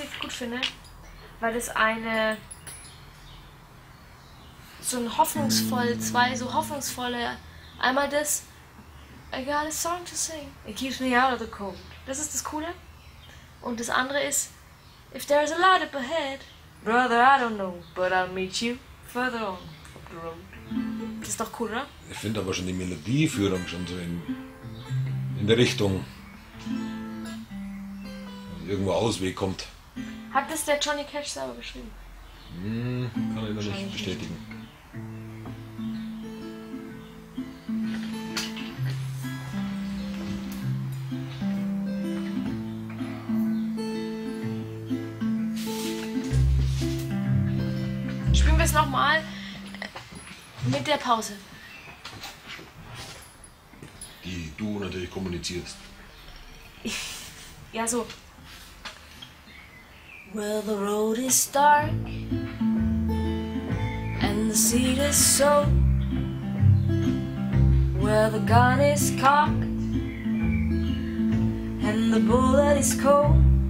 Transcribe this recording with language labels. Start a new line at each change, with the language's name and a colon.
German: gut finde, weil es eine so ein hoffnungsvoll, zwei so hoffnungsvolle, einmal das
English: I got a song to sing, it keeps me out of the cold.
German: Das ist das Coole. Und das andere ist
English: if there's a light up ahead, brother, I don't know, but I'll meet you further on up the road.
German: Das ist doch cool, oder? Ich finde aber schon die Melodieführung schon so in der Richtung, wenn irgendwo Ausweg kommt. Hat das der Johnny Cash selber geschrieben? Kann ich noch nicht bestätigen. Spielen wir es nochmal mit der Pause. Die du natürlich kommunizierst. Ja, so.
English: Well, the road is dark and the seed is sown. Well, the gun is cocked and the bullet is cold.